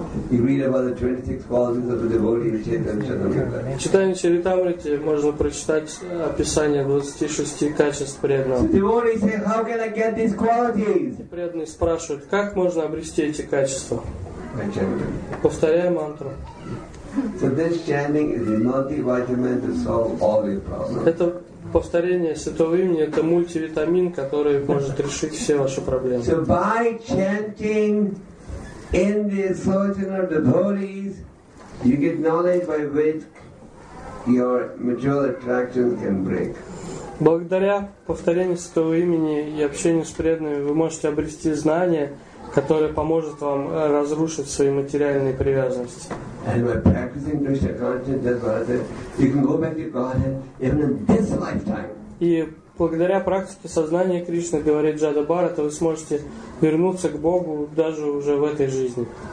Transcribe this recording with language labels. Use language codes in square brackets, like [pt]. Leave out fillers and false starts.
[en] You read about the 26 qualities of the devotee in Chaitanya Charitamrita. [ru] Читание Чаритамриты можно прочитать описание 26 качеств преданного. [en] The devotee says, "How can I get these qualities?" [ru] Преданный спрашивает, как можно обрести эти качества? Повторяя мантру. [en] So this chanting is the multivitamin to solve all your problems. [ru] Это повторение святого имени — это мультивитамин, который может решить все ваши проблемы. [en] So by chanting in the association of devotees, you get knowledge by which your material attraction can break. [ru] Благодаря повторению святого имени и общению с преданными вы можете обрести знание, которое поможет вам разрушить свои материальные привязанности. [en] And by practicing Krishna consciousness, you can go back to Godhead even in this lifetime. [ru] Благодаря практике сознания Кришны, говорит Джада Бхарата, вы сможете вернуться к Богу даже уже в этой жизни.